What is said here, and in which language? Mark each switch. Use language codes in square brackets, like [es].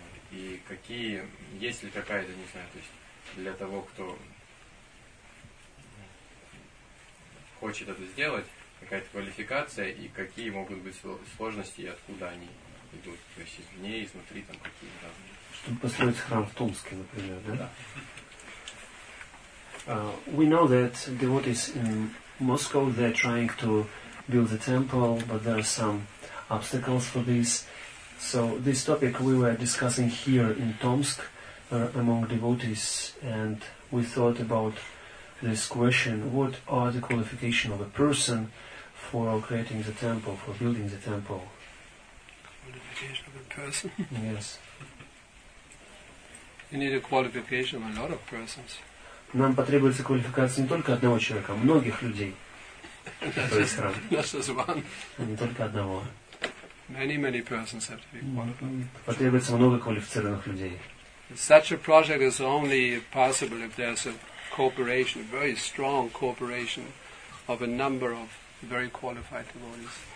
[ru] И какие, есть ли какая-то, не знаю, то есть для того, кто хочет это сделать, какая-то квалификация, и какие могут быть сложности, и откуда они идут, то есть извне и изнутри там какие-то разные. Чтобы построить храм в Томске, например, да? Да. [en] We know that devotees in Moscow, they're trying to build a temple, but there are some obstacles for this. So this topic we were discussing here in Tomsk among devotees, and we thought about this question: what are the qualifications of a person for creating the temple, for building the temple? Qualification of a person? Yes. You need a qualification of a lot of persons. [ru] Нам потребуется квалификация не только одного человека, а многих людей. Не только одного. [en] Many, many persons have to be qualified. [ru] Потребуется много квалифицированных людей. [en] Such a project is only possible if there's a cooperation, a very strong cooperation of a number of very qualified devotees.